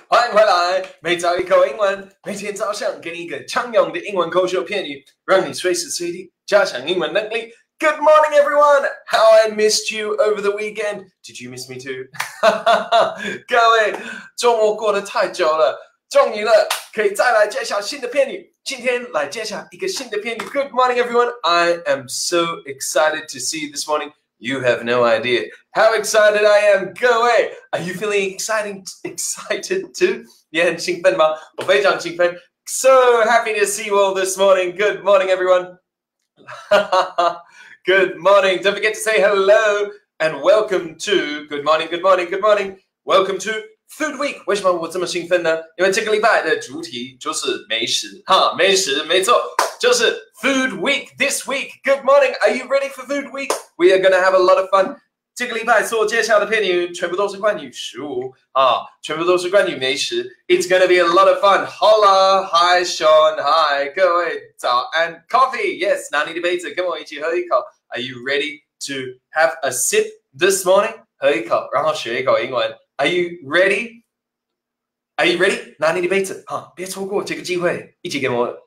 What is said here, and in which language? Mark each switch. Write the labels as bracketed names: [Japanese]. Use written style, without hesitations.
[Chinese] 欢迎回来，每早一口英文，每天早上给你一个畅用的英文口说片语，让你随时随地加强英文能力。 [English] Good morning, everyone. How I missed you over the weekend. Did you miss me too? [Chinese] 各位，周末过得太久了，终于了，可以再来介绍新的片语。今天来介绍一个新的片语。 [English] Good morning, everyone. I am so excited to see you this morning. You have no idea how excited I am. Go away. Are you feeling excited too? [Chinese] 你很兴奋吗？我非常兴奋。 [English] So happy to see you all this morning. Good morning, everyone. Good morning. Don't forget to say hello and welcome to... Good morning, good morning, good morning. Welcome to Food Week. [Chinese] 为什么我这么兴奋呢？因为这个礼拜的主题就是美食。哈，美食，没错。就是 [English] Food Week this week. Good morning. Are you ready for Food Week? We are going to have a lot of fun. [Chinese] 这个礼拜所介绍的片语全部都是关于食物啊，全部都是关于美食。 [English] It's going to be a lot of fun. Hola, hi, Sean, hi, [Chinese] 各位早安 [English] Coffee, yes, [Chinese] 拿你的杯子跟我一起喝一口。 [English] Are you ready to have a sip this morning? [Chinese] 喝一口，然后学一口英文。 [English] Are you ready? Are you ready? [Chinese] 拿你的杯子，啊，别错过这个机会，一起跟我。